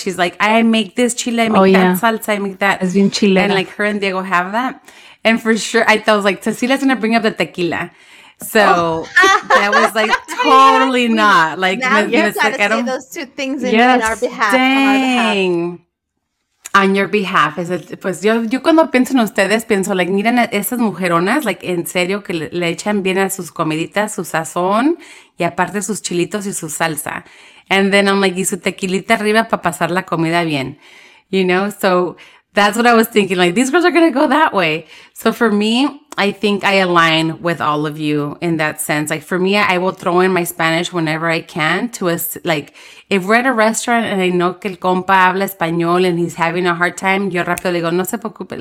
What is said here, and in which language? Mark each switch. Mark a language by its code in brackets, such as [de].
[en] She's like, I make this chile, I make that salsa, I make that. [es] Es bien chilena. [en] And, like, her and Diego have that. And for sure, I thought, I was like, Cecilia's going to bring up the tequila. So that was like totally not. Like, now you've got to say those two things in our behalf. Dang. On your behalf, is it? [es] Pues yo cuando pienso en ustedes, pienso, like, miren a esas mujeronas, like, en serio, que le echan bien a sus comiditas, su sazón, y aparte sus chilitos y su salsa. [en] And then I'm like, [es] y su tequilita arriba para pasar la comida bien. [en] You know, so that's what I was thinking, like, these girls are going to go that way. So for me, I think I align with all of you in that sense. Like, for me, I will throw in my Spanish whenever I can to us. Like, if we're at a restaurant and I know [es] que el compa habla español [en] and he's having a hard time, [es] yo rápido le digo, no se preocupe.